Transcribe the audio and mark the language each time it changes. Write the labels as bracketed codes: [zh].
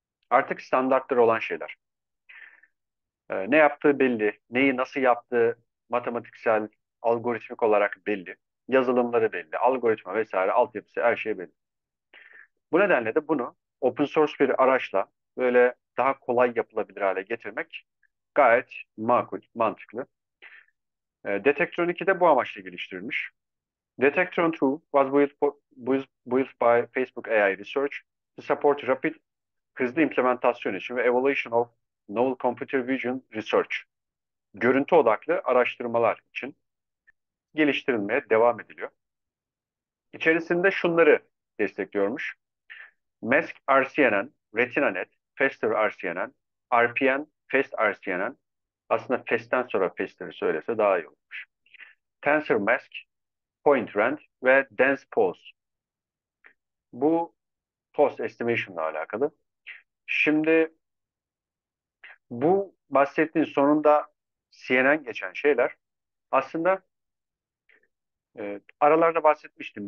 [tr] Artık standartları olan şeyler. Ne yaptığı belli, neyi nasıl yaptığı matematiksel, algoritmik olarak belli, yazılımları belli, algoritma vesaire, altyapısı her şey belli. Bu nedenle de bunu open source bir araçla böyle daha kolay yapılabilir hale getirmek gayet makul, mantıklı. Detektron 2 de bu amaçla geliştirilmiş. [en] Detektron 2 was built by Facebook AI Research to support rapid, [tr] hızlı implementasyon için ve [en] evaluation of Novel Computer Vision Research. [tr] Görüntü odaklı araştırmalar için geliştirilmeye devam ediliyor. İçerisinde şunları destekliyormuş. Mask RCNN, RetinaNet, Faster RCNN, RPN, Fast RCNN. Aslında Fast'ten sonra Faster'ı söylese daha iyi olmuş. Tensor Mask, Point Rand ve Dense Pose. Bu pose estimation ile alakalı. Şimdi bu bahsettiğin sonunda CNN geçen şeyler aslında aralarda bahsetmiştim.